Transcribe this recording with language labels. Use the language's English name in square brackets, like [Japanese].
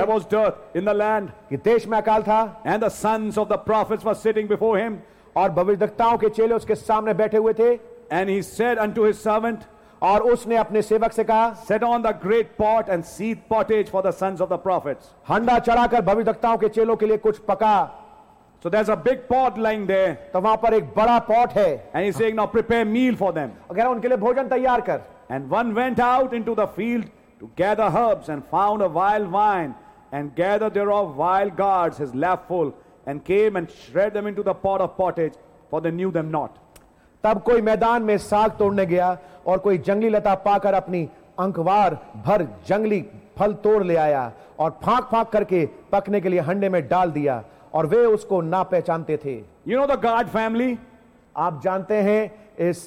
[English] There was dearth in the land. [Hindi] कि देश में अकाल था. [English] And the sons of the prophets were sitting before him. [Hindi] और भविष्यद्वक्ताओं के चेले उसके सामने बैठे हुए थे. [English] And he said unto his servant, [Hindi] और उसने अपने सेवक से कहा, [English] set on the great pot and seed pottage for the sons of the prophets. [Hindi] हंडा चढ़ाकर भविष्यद्वक्ताओं के चेलों के लिए कुछ पका. [English] So there's a big pot lying there. [Hindi] तो वहाँ पर एक बड़ा पॉट है. [English] And he's saying, now prepare meal for them. [Hindi] कह रहा उनके लिए भोजन तैयार कर. [English] And one went out into the field to gather herbs and found a vile vine and gathered thereof vile gourds his lap full and came and shred them into the pot of pottage for they knew them not. [Hindi] तब कोई मैदान में साग तोड़ने गया और कोई जंगली लता पाकर अपनी अंकवार भर जंगली फल तोड़ ले आया और फांक फांक करके पकने के लिए हंडे में डाल दिया और वे उसको ना पहचानते थे. [English] you know the God family, [Hindi] आप जानते हैं इस